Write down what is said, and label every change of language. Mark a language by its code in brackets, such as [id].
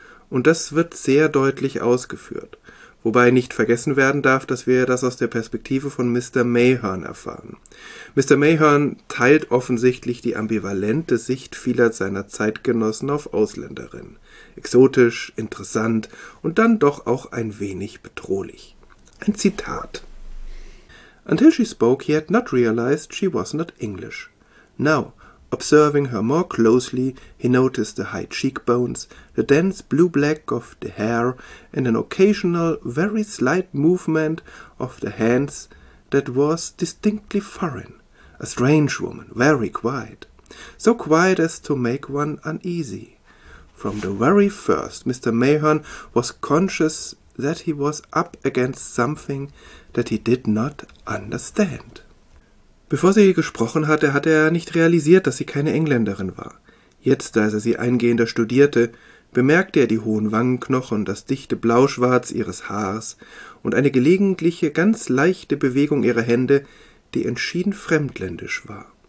[de] Und das wird sehr deutlich ausgeführt. Wobei nicht vergessen werden darf, dass wir das aus der Perspektive von Mr. Mayhern erfahren. Mr. Mayhern teilt offensichtlich die ambivalente Sicht vieler seiner Zeitgenossen auf Ausländerinnen. Exotisch, interessant und dann doch auch ein wenig bedrohlich. Ein Zitat. [en] Until she spoke, he had not realized she was not English. Now, observing her more closely, he noticed the high cheekbones, the dense blue-black of the hair, and an occasional, very slight movement of the hands that was distinctly foreign. A strange woman, very quiet. So quiet as to make one uneasy. From the very first, Mr. Mayhern was conscious that he was up against something that he did not understand. [de] Bevor sie gesprochen hatte, hatte er nicht realisiert, dass sie keine Engländerin war. Jetzt, als er sie eingehender studierte, bemerkte er die hohen Wangenknochen, das dichte Blauschwarz ihres Haars und eine gelegentliche, ganz leichte Bewegung ihrer Hände, die entschieden fremdländisch war.